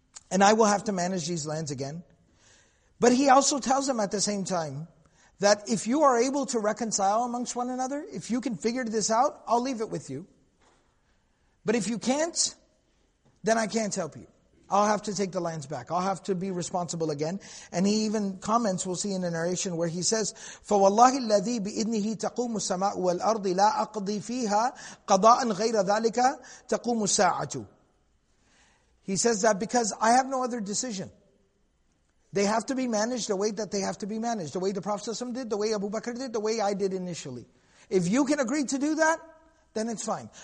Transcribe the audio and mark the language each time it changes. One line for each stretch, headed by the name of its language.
English: And I will have to manage these lands again. But he also tells them at the same time that if you are able to reconcile amongst one another, if you can figure this out, I'll leave it with you. But if you can't, then I can't help you. I'll have to take the lands back. I'll have to be responsible again. And he even comments, we'll see in the narration, where he says,
Arabic: فَوَاللَّهِ الَّذِي بِإِذْنِهِ تَقُومُ السَّمَاءُ وَالْأَرْضِ لَا أَقْضِي فِيهَا قَضَاءً غَيْرَ ذَلِكَ تَقُومُ السَّاعَةُ.
English: He says that because I have no other decision. They have to be managed the way that they have to be managed. The way the Prophet ﷺ did, the way Abu Bakr did, the way I did initially. If you can agree to do that, then it's fine.